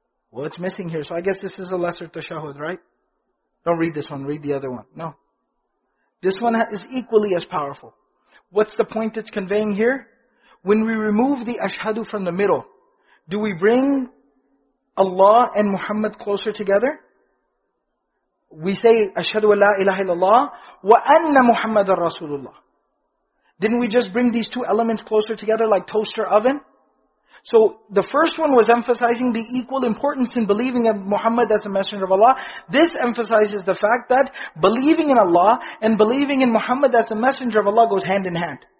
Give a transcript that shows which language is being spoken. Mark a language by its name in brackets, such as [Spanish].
[English] Well, it's missing here. So I guess this is a lesser tashahud, right? Don't read this one, read the other one. No. This one is equally as powerful. What's the point it's conveying here? When we remove the ashhadu from the middle, do we bring Allah and Muhammad closer together? We say, [Arabic] أَشْهَدُ أَلَا إِلَهَ إِلَى اللَّهِ وَأَنَّ مُحَمَّدَ رَسُولُ اللَّهِ. [English] Didn't we just bring these two elements closer together like toaster oven? So the first one was emphasizing the equal importance in believing in Muhammad as a messenger of Allah. This emphasizes the fact that believing in Allah and believing in Muhammad as a messenger of Allah goes hand in hand.